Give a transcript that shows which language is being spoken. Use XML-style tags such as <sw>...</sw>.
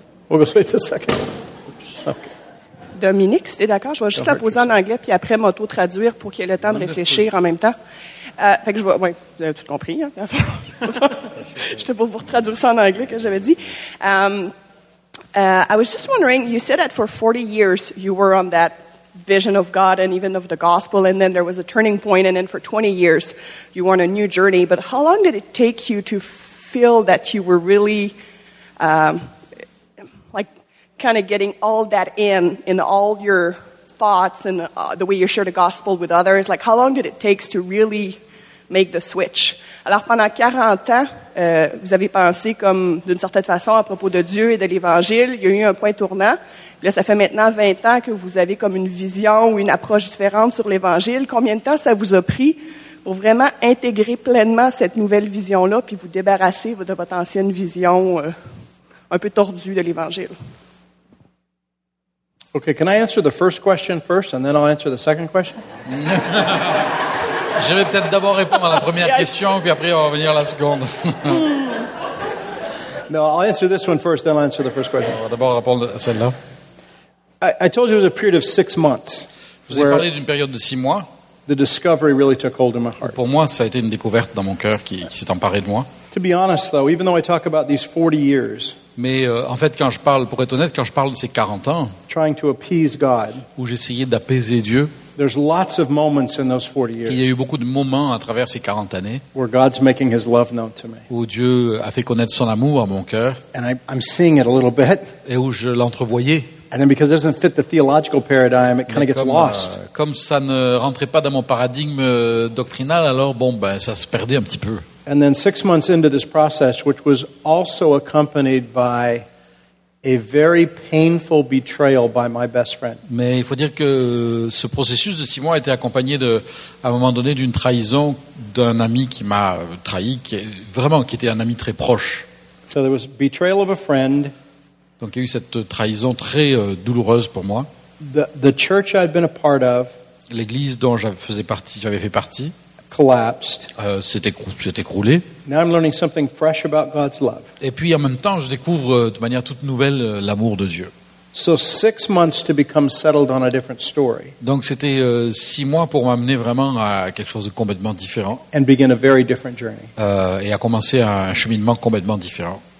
<fr>On va suivre le second. Dominique, si t'es d'accord, je vais juste la poser en anglais puis après m'auto-traduire pour qu'il y ait le temps de réfléchir en même temps. Fait que je vois, oui, vous avez tout compris. Hein? J'étais pour vous traduire ça en anglais que j'avais dit.</fr> <en>I was just wondering, you said that for 40 years you were on that vision of God and even of the gospel, and then there was a turning point, and then for 20 years you were on a new journey. But how long did it take you to feel that you were really like kind of getting all that in all your thoughts and the way you share the gospel with others? Like, how long did it take to really make the switch?</en> <fr>Alors pendant 40 ans, vous avez pensé comme d'une certaine façon à propos de Dieu et de l'Évangile. Il y a eu un point tournant. Là, ça fait maintenant 20 ans que vous avez comme une vision ou une approche différente sur l'Évangile. Combien de temps ça vous a pris pour vraiment intégrer pleinement cette nouvelle vision-là puis vous débarrasser de votre ancienne vision un peu tordue de l'Évangile?</fr> <en>OK, can I answer the first question first and then I'll answer the second question?</en> <fr>Je vais peut-être d'abord répondre à la première question puis après on va venir à la seconde.</fr> <en>No, I'll answer this one first then I'll answer the first question.</en> <fr>On va d'abord répondre à celle-là.</fr> <en>I told you it was a period of 6 months.</en> <fr>Je vous ai parlé d'une période de 6 mois.</fr> <en>The discovery really took hold in my heart.</en> <fr>Pour moi, ça a été une découverte dans mon cœur qui s'est emparée de moi.</fr> <en>To be honest, though, even though I talk about these 40 years,</en> <fr>mais en fait, quand je parle, pour être honnête, quand je parle de ces 40 ans,</fr> <en>trying to appease God,</en> <fr>où j'essayais d'apaiser Dieu,</fr> <en>there's lots of moments in those 40 years.</en> <fr>Il y a eu beaucoup de moments à travers ces 40 années,</fr> <en>where God's making His love known to me,</en> <fr>où Dieu a fait connaître Son amour à mon cœur,</fr> <en>and I'm seeing it a little bit,</en> <fr>et où je l'entrevoyais.</fr> <en>And then because it doesn't fit the theological paradigm, it kind of gets lost.</en> <fr>Comme ça ne rentrait pas dans mon paradigme doctrinal, alors bon, ben, ça se perdait un petit peu.</fr> <en>And then 6 months into this process, which was also accompanied by a very painful betrayal by my best friend.</en> <fr>Mais il faut dire que ce processus de 6 mois a été accompagné de, à un moment donné, d'une trahison d'un ami qui m'a trahi, qui était un ami très proche.</fr> <en>So there was betrayal of a friend.</en> <fr>Donc il y a eu cette trahison très douloureuse pour moi.</fr> <en>The church I'd been a part of,</en> <fr>l'église dont j'avais fait partie,</fr> <en>collapsed.</en> <fr>S'est écroulée.</fr> <en>Now I'm learning something fresh about God's love.</en> <fr>Et puis en même temps, je découvre de manière toute nouvelle l'amour de Dieu.</fr> <en>So 6 months to become settled on a different story.</en> <fr>Donc c'était 6 mois pour m'amener vraiment à quelque chose de complètement différent.</fr> <en>And begin a very different journey.</en> <fr>Et à commencer un cheminement complètement différent.</fr>